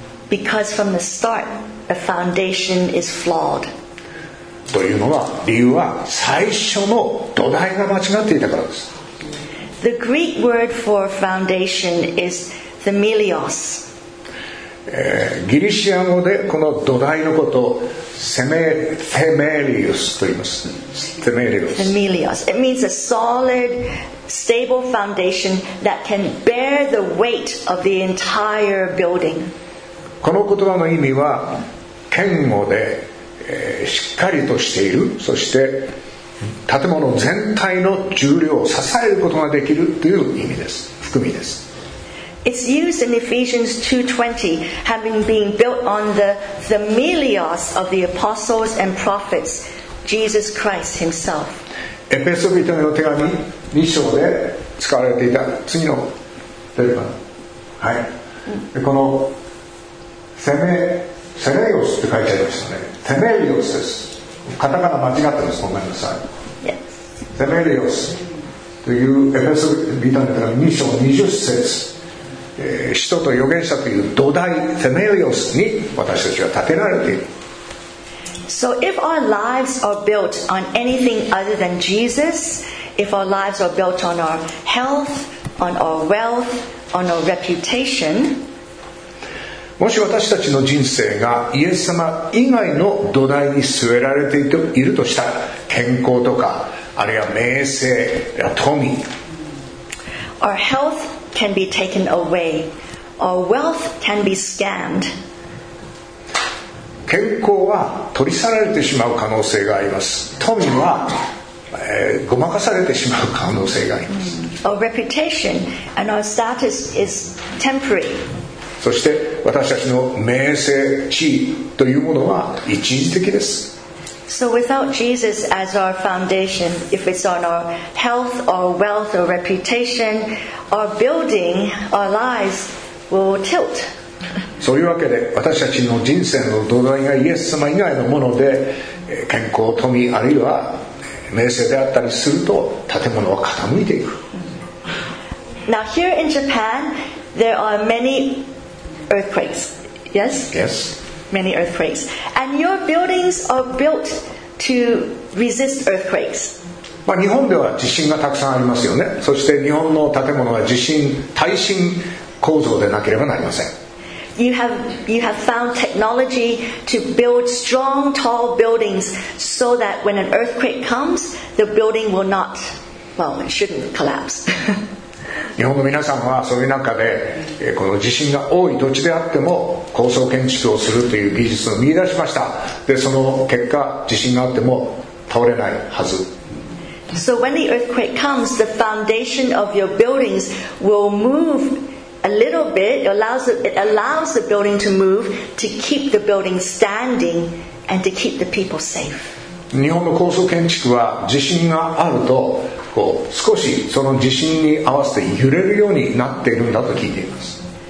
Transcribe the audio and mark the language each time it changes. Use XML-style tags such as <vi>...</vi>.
<en>Because from the start, the foundation is flawed.</en> <ja>というのは理由は最初の土台が間違っていたからです。</ja> <en>The Greek word for foundation is themelios.</en> <ja>ギリシア語でこの土台のことをthemelios と言います。</ja> <en>Themelios. It means a solid, stable foundation that can bear the weight of the entire building.</en> <ja>この言葉の意味は堅固で。しっかりとしているそして建物全体の重量を支えることができるという意味です含みです</ja> <en>It's used in Ephesians 2:20, having been built on the themelios of the apostles and prophets, Jesus Christ himself.</en> <ja>エペソ人への手紙2章で使われていた次のテーマ、はい、でこのセメイオスって書いてありましたね。セメイオスです。カタカナ間違ってます。ごめんなさい。セメイオスというエペソ人への手紙2章20節、使徒と預言者という土台セメイオスに私たちは建てられている。</ja> <en>So if our lives are built on anything other than Jesus, if our lives are built on our health, on our wealth, on our reputation,</en> <ja>もし私たちの人生がイエス様以外の土台に据えられているとしたら、健康とかあるいは名声や富、</ja> <en>our health can be taken away, our wealth can be scammed.</en> <ja>健康は取り去られてしまう可能性があります。富は、ごまかされてしまう可能性があります。</ja> <en>Our reputation and our status is temporary.</en> <ja>そして私たちの名声、地位というものは一時的です。</ja> <en>So without Jesus as our foundation, if it's on our health, our wealth, our reputation, our building, our lives will tilt.</en> <ja>そういうわけで私たちの人生の土台がイエス様以外のもので健康、富、あるいは名声であったりすると建物は傾いていく。</ja> <en>Now here in Japan there are many earthquakes. Yes? Yes. Many earthquakes. And your buildings are built to resist earthquakes.</en> <ja>まあ日本では地震がたくさんありますよね。そして日本の建物は地震、耐震構造でなければなりません。</ja> <en>You have found technology to build strong, tall buildings so that when an earthquake comes, the building will not, well, it shouldn't collapse.</en> <ja>日本の皆さんはそういう中でこの地震が多い土地であっても高層建築をするという技術を見出しました。で、その結果地震があっても倒れないはず。</ja> <en>So when the earthquake comes, the foundation of your buildings will move. A little bit it allows the building to move to keep the building standing and to keep the people safe.</en> <ja>日本の高層建築は地震があるとこう少しその地震に合わせて揺れるようになっているんだと聞いています。</ja>